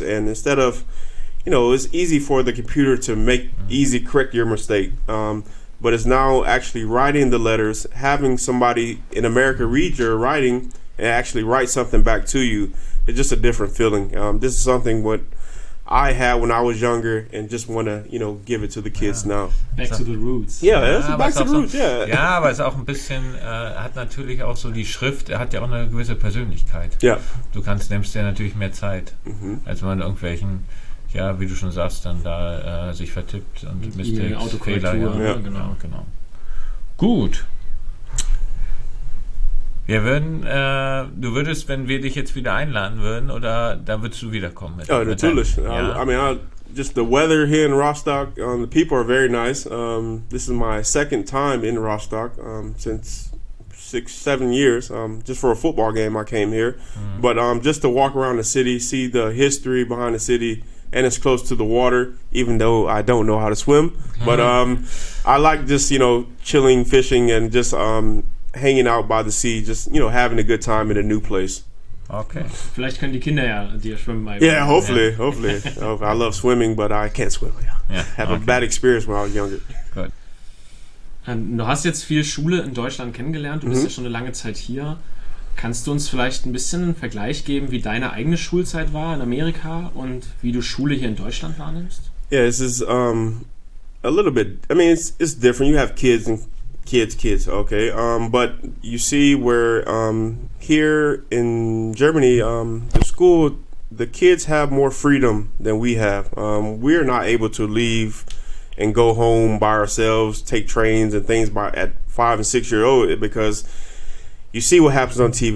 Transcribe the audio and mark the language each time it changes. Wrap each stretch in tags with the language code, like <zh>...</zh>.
<en>And instead of, you know, it's easy for the computer to make easy correct your mistake, but it's now actually writing the letters, having somebody in America read your writing and actually write something back to you. It's just a different feeling. This is something what I had when I was younger and just want to, you know, give it to the kids now. Back to the roots. Yeah, that's back to the roots, yeah.</en> <de>Ja, aber es auch ein bisschen, hat natürlich auch so die Schrift, hat ja auch eine gewisse Persönlichkeit.</de> <en>Yeah.</en> <de>Du kannst, nimmst ja natürlich mehr Zeit, als wenn man irgendwelchen, ja, wie du schon sagst, dann da sich vertippt und</de> <en>Mistakes,</en> <de>Fehler, genau. Gut. Wir würden, du würdest, wenn wir dich jetzt wieder einladen würden, oder da würdest du wiederkommen? Ja, natürlich.</de> <en>I mean, just the weather here in Rostock, the people are very nice. This is my second time in Rostock since 6-7 years, just for a football game I came here. But just to walk around the city, see the history behind the city, and it's close to the water, even though I don't know how to swim. But I like just, you know, chilling, fishing, and just hanging out by the sea, just, you know, having a good time in a new place. Okay.</en> <de>Vielleicht können die Kinder ja dir schwimmen beibringen.</de> <en>Yeah, hopefully. I love swimming, but I can't swim. I have a bad experience when I was younger. Good.</en> <de>Du hast jetzt viel Schule in Deutschland kennengelernt. Du bist ja schon eine lange Zeit hier. Kannst du uns vielleicht ein bisschen einen Vergleich geben, wie deine eigene Schulzeit war in Amerika und wie du Schule hier in Deutschland wahrnimmst?</de> <en>Yeah, this is a little bit. I mean, it's different. You have kids and kids. Okay, but you see where here in Germany, the school, the kids have more freedom than we have. We are not able to leave and go home by ourselves, take trains and things by at 5 and 6 years old because you see what happens on TV.</en>